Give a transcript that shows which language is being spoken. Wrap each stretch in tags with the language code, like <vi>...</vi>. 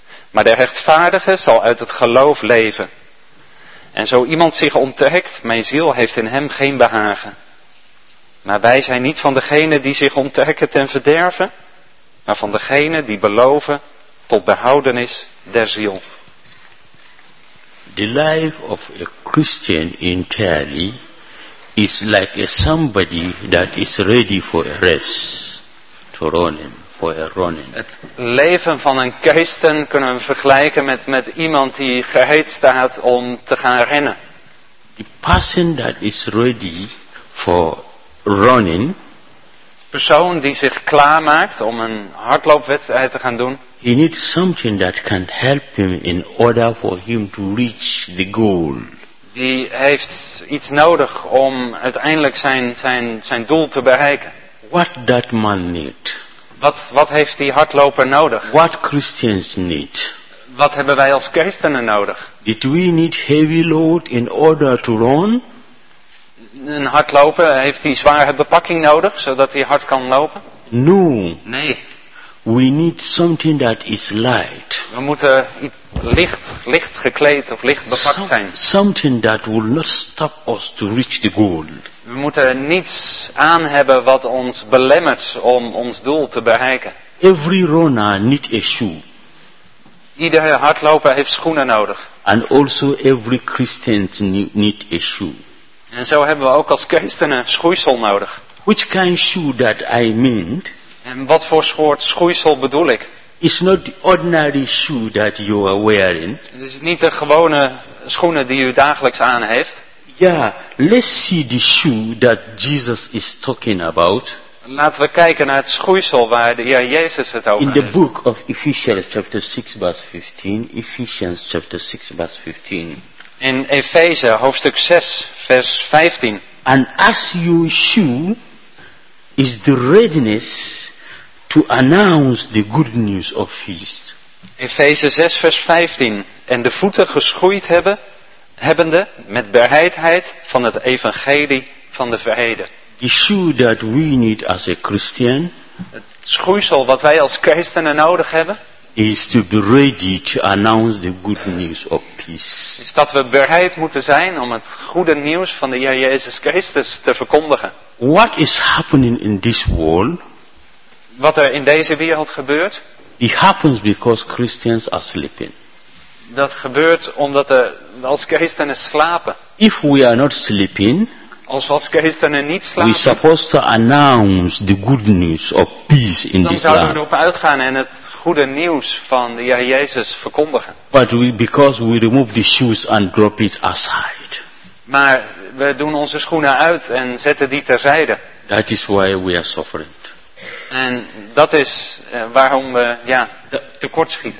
<nl>Maar de rechtvaardige zal uit het geloof leven. En zo iemand zich onttrekt, mijn ziel heeft in hem geen behagen. Maar wij zijn niet van degene die zich onttrekken ten verderven, maar van degene die beloven tot behoudenis der ziel.</nl> <en>The life of a Christian entirely is like a somebody that is ready for a race to run him.</en> <nl>Het leven van een christen kunnen we vergelijken met iemand die gereed staat om te gaan rennen.</nl> <en>The person that is ready for running,</en> <nl>persoon die zich klaarmaakt om een hardloopwedstrijd te gaan doen,</nl> <en>he needs something that can help him in order for him to reach the goal.</en> <nl>Die heeft iets nodig om uiteindelijk zijn doel te bereiken.</nl> <en>What that man needs.</en> <nl>Wat heeft die hardloper nodig?</nl> <en>What Christians need?</en> <nl>Wat hebben wij als christenen nodig?</nl> <en>Did we need heavy load in order to run?</en> <nl>Een hardloper heeft die zware bepakking nodig, zodat hij hard kan lopen?</nl> <en>No.</en> <nl>Nee.</nl> <en>We need something that is light.</en> <nl>We moeten iets licht gekleed of licht bevakt zijn.</nl> <en>Something that will not stop us to reach the goal.</en> <nl>We moeten niets aan hebben wat ons belemmert om ons doel te bereiken.</nl> <en>Every runner needs a shoe.</en> <nl>Iedere hardloper heeft schoenen nodig.</nl> <en>And also every Christian needs a shoe.</en> <nl>En zo hebben we ook als christenen schoeisel nodig.</nl> <en>Which kind of shoe that I mean?</en> <nl>En wat voor soort schoeisel bedoel ik?</nl> <en>It's not the ordinary shoe that you are wearing.</en> <nl>Het is niet de gewone schoenen die u dagelijks aan heeft.</nl> <en>Yeah, let's see the shoe that Jesus is talking about.</en> <nl>Laten we kijken naar het schoeisel waar de Heer Jezus het over heeft.</nl> <en>In the book of Ephesians chapter 6 verse 15. Ephesians chapter 6 verse 15.</en> <nl>In Efeze hoofdstuk 6 vers 15.</nl> <en>And as your shoe is the readiness to announce the good news of feast.</en> <nl>Efeze 6 vers 15. En de voeten geschoeid hebbende met bereidheid van het evangelie van de vrede.</nl> <en>The shoe that we need as a Christian,</en> <nl>het schoeisel wat wij als christenen nodig hebben,</nl> <en>is to be ready to announce the good news of peace.</en> <nl>Is dat we bereid moeten zijn om het goede nieuws van de Heer Jezus Christus te verkondigen.</nl> <en>What is happening in this world?</en> <nl>Wat er in deze wereld gebeurt?</nl> <en>It happens because Christians are sleeping.</en> <nl>Dat gebeurt omdat we als christenen slapen.</nl> <en>If we are not sleeping,</en> <nl>als we als christenen niet slapen,</nl> <en>we supposed to announce the good news of peace in this land.</en> <nl>Dan zouden we erop uitgaan en het goede nieuws van de Heer Jezus verkondigen.</nl> <en>But because we remove the shoes and drop it aside.</en> <nl>Maar we doen onze schoenen uit en zetten die terzijde.</nl> <en>That is why we are suffering.</en> <nl>En dat is waarom we tekortschieten.</nl>